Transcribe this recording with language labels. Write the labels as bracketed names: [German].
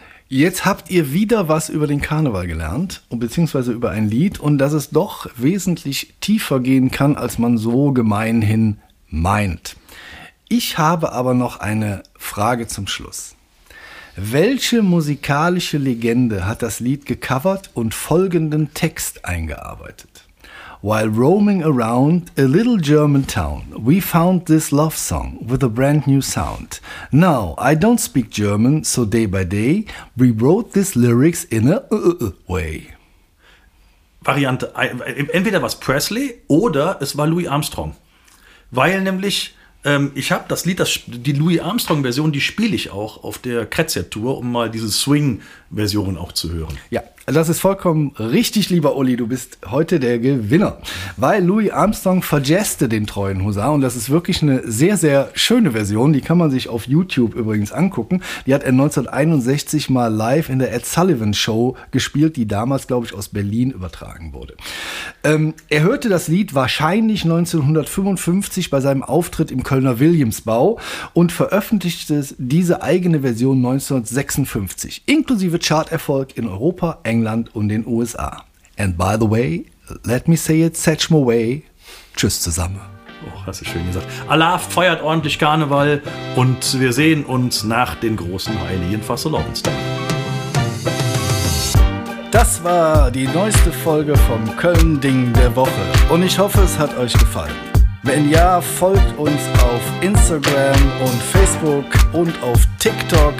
[German] Jetzt habt ihr wieder was über den Karneval gelernt, beziehungsweise über ein Lied und dass es doch wesentlich tiefer gehen kann, als man so gemeinhin meint. Ich habe aber noch eine Frage zum Schluss. Welche musikalische Legende hat das Lied gecovert und folgenden Text eingearbeitet? [English] While roaming around a little German town, we found this love song with a brand new sound. Now, I don't speak German, so day by day, we wrote these lyrics in a way. [German] Variante, entweder war es Presley oder es war Louis Armstrong. Weil nämlich... ich habe das Lied, die Louis Armstrong-Version, die spiele ich auch auf der Kretzer-Tour, um mal diese Swing-Version auch zu hören. Ja, das ist vollkommen richtig, lieber Uli, du bist heute der Gewinner. Weil Louis Armstrong verjazzte den treuen Husar und das ist wirklich eine sehr, sehr schöne Version. Die kann man sich auf YouTube übrigens angucken. Die hat er 1961 mal live in der Ed Sullivan Show gespielt, die damals, glaube ich, aus Berlin übertragen wurde. Er hörte das Lied wahrscheinlich 1955 bei seinem Auftritt im Kölner Williamsbau und veröffentlichte diese eigene Version 1956, inklusive Charterfolg in Europa, England und den USA. [English] And by the way, let me say it, Satchmo Way. [German] Tschüss zusammen. Oh, hast du schön gesagt. Allah feiert ordentlich Karneval und wir sehen uns nach den großen heiligen Fasolovenstag. Das war die neueste Folge vom Köln-Ding der Woche und ich hoffe, es hat euch gefallen. Wenn ja, folgt uns auf Instagram und Facebook und auf TikTok.